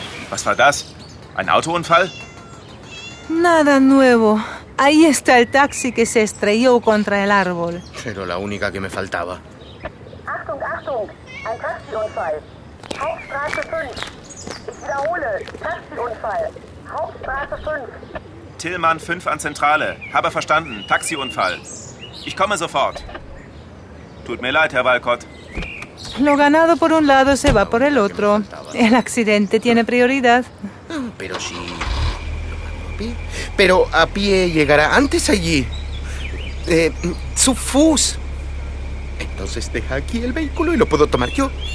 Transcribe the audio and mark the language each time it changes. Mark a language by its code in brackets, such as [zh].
[de] Was war das? Ein Autounfall? [es] Nada nuevo. Ahí está el taxi que se estrelló contra el árbol. Pero la única que me faltaba. [de] Achtung, Achtung. Ein Taxiunfall. Hauptstraße 5. Ich wiederhole. Taxiunfall. Hauptstraße 5. Tillmann 5 an Zentrale. Habe verstanden. Taxiunfall. Ich komme sofort. Tut mir leid, Herr Walcott. [es] Lo ganado por un lado se va por el otro. El accidente tiene prioridad. Pero si... Pero a pie llegará antes allí. [de] Zu Fuß. [es] Entonces deja aquí el vehículo y lo puedo tomar yo.